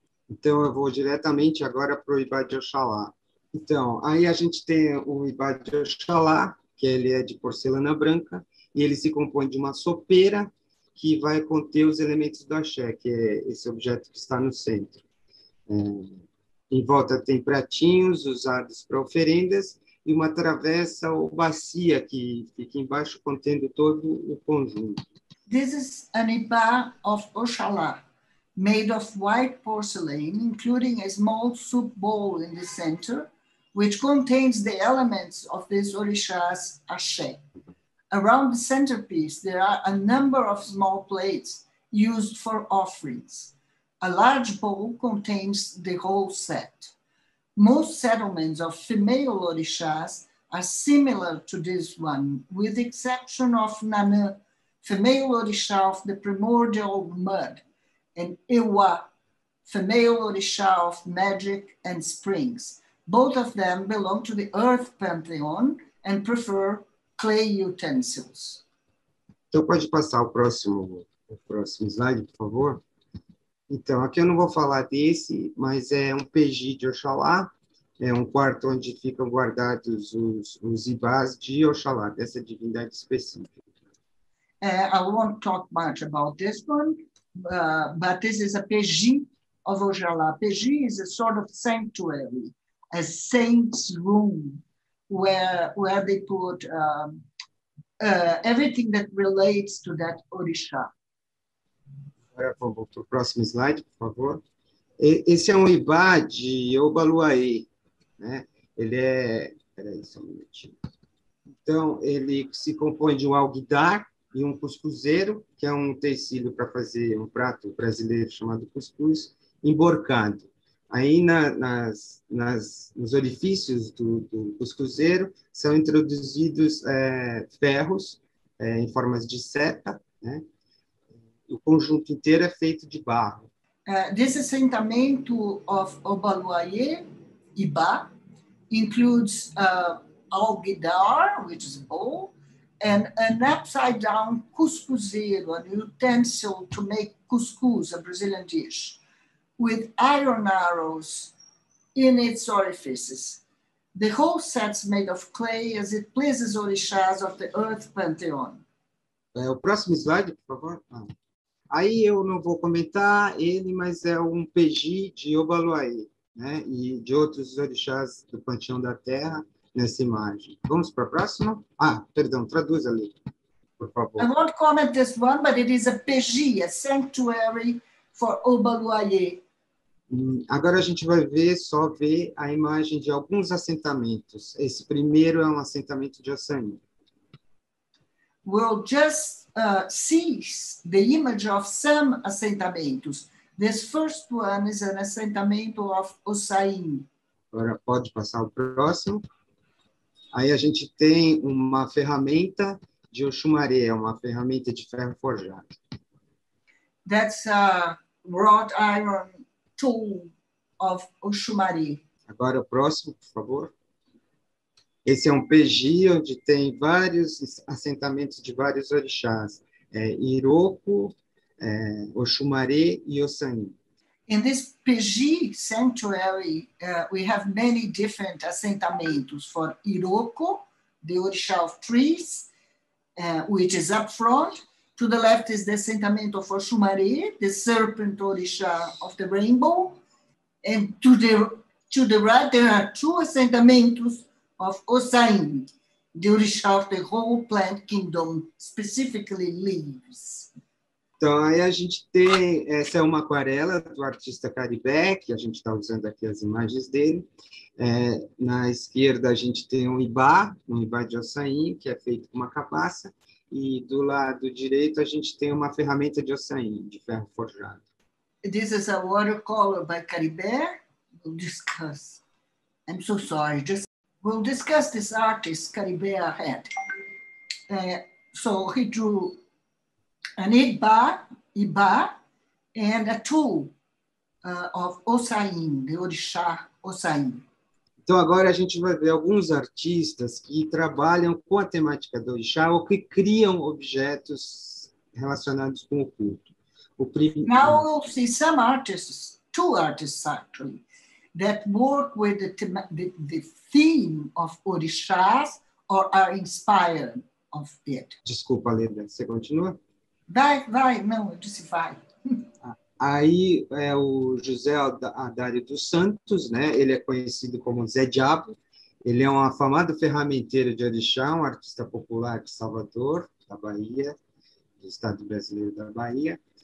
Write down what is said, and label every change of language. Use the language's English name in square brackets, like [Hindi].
[Portuguese] Então, eu vou diretamente agora para o Ibá de Oxalá. Então, aí a gente tem o Ibá de Oxalá, que ele é de porcelana branca, e ele se compõe de uma sopeira que vai conter os elementos do axé, que é esse objeto que está no centro. É, em volta tem pratinhos usados para oferendas e uma travessa ou bacia que fica embaixo contendo todo o conjunto. [English] This is an Ibá of Oxalá, made of white porcelain, including a small soup bowl in the center, which contains the elements of this orisha's axé. Around the centerpiece, there are a number of small plates used for offerings. A large bowl contains the whole set. Most settlements of female orishas are similar to this one, with the exception of Nanã, female orisha of the primordial mud, and Iwa, female orisha of magic and springs. Both of them belong to the earth pantheon and prefer clay utensils. [Portuguese] Então, pode passar o próximo slide, por favor. Então, aqui eu não vou falar desse, mas é um peji de Oxalá, é um quarto onde ficam guardados os ibás de Oxalá, dessa divindade específica. [English] I won't talk much about this one, but this is a peji of Oxalá. Peji is a sort of sanctuary, a saint's room, where they put everything that relates to that orisha. [Portuguese] Agora vamos para o próximo slide, por favor. Esse é um ibá de Obaluaê, né? Peraí só um minutinho. Então, ele se compõe de um alguidar e um cuscuzeiro, que é um tecido para fazer um prato brasileiro chamado cuscuz, emborcado. Aí, nos orifícios do cuscuzeiro, são introduzidos ferros em formas de seta, né? O conjunto inteiro é feito de barro. [English] This assentamento of Obaluaye, Iba, includes alguidar, which is a bowl, and an upside-down cuscuzeiro, a utensil to make cuscuz, a Brazilian dish, with iron arrows in its orifices. The whole set's made of clay as it pleases orishas of the earth pantheon. [Portuguese] O próximo slide, por favor. Aí eu não vou comentar ele, mas é um peji de Obaluaê, né? E de outros orixás do Panteão da Terra nessa imagem. Vamos para a próxima? Ah, perdão, traduz ali, por favor. [English] I won't comment this one, but it is a peji, a sanctuary for Obaluaê. [Portuguese] Agora a gente vai ver a imagem de alguns assentamentos. Esse primeiro é um assentamento de Oçanã. [English] We'll just see the image of some assentamentos. This first one is an assentamento of Ossain. [Portuguese] Agora pode passar o próximo. Aí a gente tem uma ferramenta de Oxumaré, uma ferramenta de ferro forjado. [English] That's a wrought iron tool of Oxumaré. [Portuguese] Agora o próximo, por favor. Esse é um peji onde tem vários assentamentos de vários orixás, Iroko, Oxumaré e Ossain. [English] In this peji sanctuary, we have many different assentamentos for Iroko, the orisha of trees, which is up front. To the left is the assentamento of Oxumaré, the serpent orisha of the rainbow. And to the right, there are two assentamentos of Ossain, the orisha of the whole plant kingdom, specifically leaves. [Portuguese] Então, aí a gente tem, essa é uma aquarela do artista Caribe, que a gente está usando aqui as imagens dele. Na esquerda, a gente tem um ibá de Ossain, que é feito com uma capaça, e do lado direito, a gente tem uma ferramenta de Ossain, de ferro forjado. [English] This is a watercolor by Caribe. We'll discuss. I'm so sorry, just we'll discuss this artist, Caribe ahead. So he drew an Iba, and a tool of Ossain, the orixá Ossain. [Portuguese] Então agora a gente vai ver alguns artistas que trabalham com a temática do orixá ou que criam objetos relacionados com o culto. [English] Now we'll see some artists two artists actually that work with the theme of orixás or are inspired of it. [Portuguese] Desculpa, Linda, você continua? Vai, não, eu disse vai. Aí é o José Adário dos Santos, né? Ele é conhecido como Zé Diabo. Ele é um afamado ferramenteiro de orixá, um artista popular de Salvador, da Bahia, do Estado Brasileiro da Bahia.